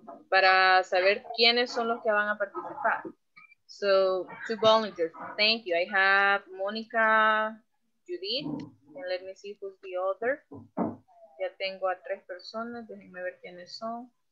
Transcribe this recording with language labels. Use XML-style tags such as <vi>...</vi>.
<es>Para saber quiénes son los que van a participar.</es> <en>So, to volunteers, thank you. I have Monica, Judith, and let me see who's the other.</en> <es>Ya tengo a tres personas, déjenme ver quiénes son.</es>